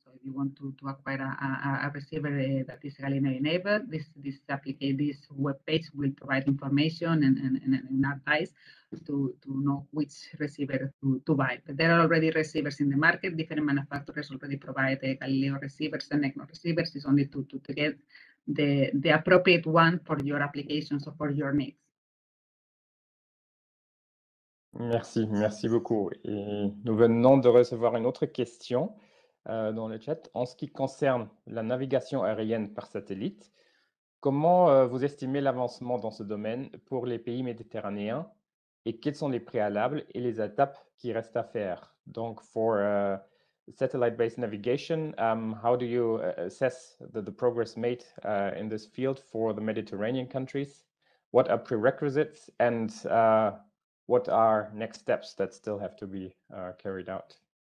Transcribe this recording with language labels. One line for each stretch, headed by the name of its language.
English: So if you want to acquire a receiver that is Galileo enabled, this web page will provide information and advice to know which receiver to buy. But there are already receivers in the market. Different manufacturers already provide Galileo receivers and ECNOS receivers. It's only to get the appropriate one for your applications or for your needs.
French: Merci beaucoup. Et nous venons de recevoir une autre question dans le chat. En ce qui concerne la navigation aérienne par satellite, comment vous estimez l'avancement dans ce domaine pour les pays méditerranéens et quels sont les préalables et les étapes qui restent à faire? Donc, pour
English: satellite-based navigation, how do you assess the progress made in this field for the Mediterranean countries? What are prerequisites and what are next steps that still have to be carried out?